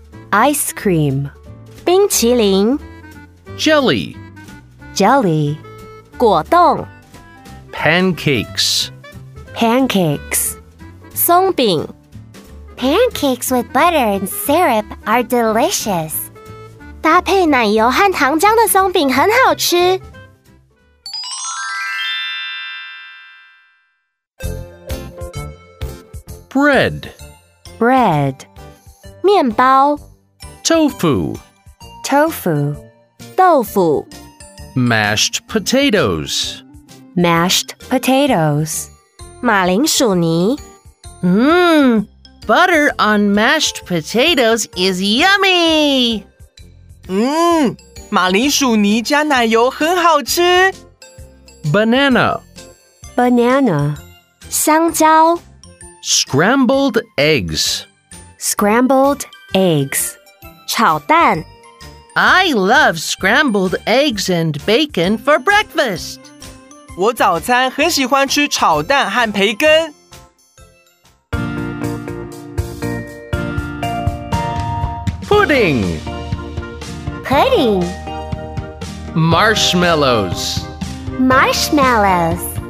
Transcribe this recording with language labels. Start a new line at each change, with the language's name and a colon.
English: ice cream, 冰淇淋。 Jelly, jelly, 果冻。 Pancakes. Pancakes, 松饼。 Pancakes with butter and syrup are delicious.
Chinese: 搭配奶油和糖浆的松饼很好吃。
English: Bread, bread,
Chinese: 面包。
English: Tofu, tofu,
Chinese: 豆腐。
English: Mashed potatoes, mashed potatoes.
Chinese: 马铃薯泥。
English: Butter on mashed potatoes is yummy.
Chinese: 马铃薯泥加奶油很好吃。
English: Banana, banana,
Chinese: 香蕉。
English: Scrambled eggs, scrambled eggs,
Chinese: 炒蛋。
English: I love scrambled eggs and bacon for breakfast.
Chinese: 我早餐很喜欢吃炒蛋和培根。
English: Pudding, pudding, marshmallows, marshmallows,